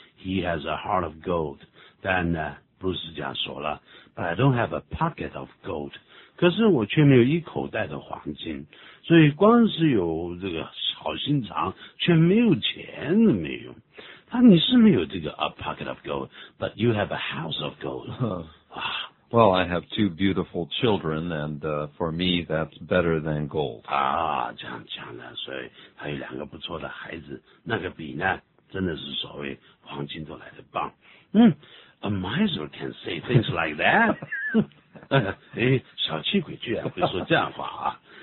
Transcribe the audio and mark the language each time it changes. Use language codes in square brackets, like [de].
[en] He has a heart of gold. [zh] 但呢，布鲁斯这样说了 [en] ，But I don't have a pocket of gold. [zh] 可是我却没有一口袋的黄金。所以光是有这个好心肠，却没有钱都没有。他你是没有这个 [en] a pocket of gold, but you have a house of gold. Well, I have two beautiful children, and for me, that's better than gold. [zh] 啊，这样讲的，所以他有两个不错的孩子，那个比呢，真的是所谓黄金都来得棒。 [en] A miser can say things like that. [zh] 哎，小气鬼居然会说这样话啊。